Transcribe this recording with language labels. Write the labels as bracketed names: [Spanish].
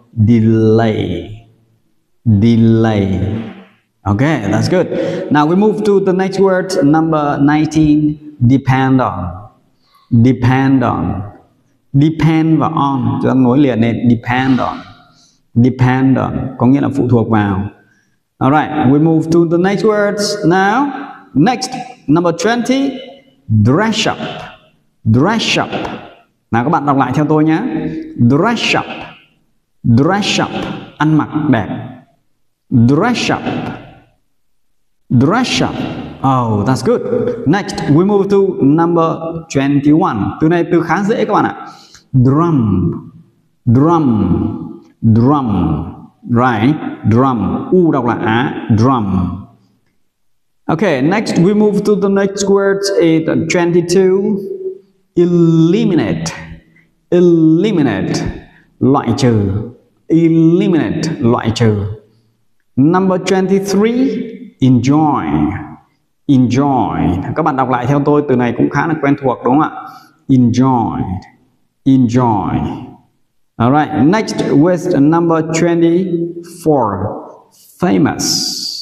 [English] Delay. Delay. Okay, that's good. Now we move to the next word, number 19. Depend on. Depend on. [Vietnamese] Depend và on chúng ta nối liền nên depend on. Depend on có nghĩa là phụ thuộc vào. [English] Alright, we move to the next words now. Next, number 20. Dress up. Dress up. [Vietnamese] Nào, các bạn đọc lại theo tôi nhé. [English] Dress up. Dress up, [Vietnamese] ăn mặc đẹp. [English] Dress up. Dress up. Oh, that's good. Next, we move to number 21. [Vietnamese] Từ này từ khá dễ các bạn ạ. [English] Drum. Drum. Drum. Right, drum. [Vietnamese] U đọc là á, drum. [English] Okay, next we move to the next word, it 22. Eliminate. Eliminate, [Vietnamese] loại trừ. [English] Eliminate, [Vietnamese] loại trừ. [English] Number 23, enjoy. Enjoy. [Vietnamese] Các bạn đọc lại theo tôi, từ này cũng khá là quen thuộc đúng không ạ? [English] Enjoy. Enjoy. All right, next with number 24, famous.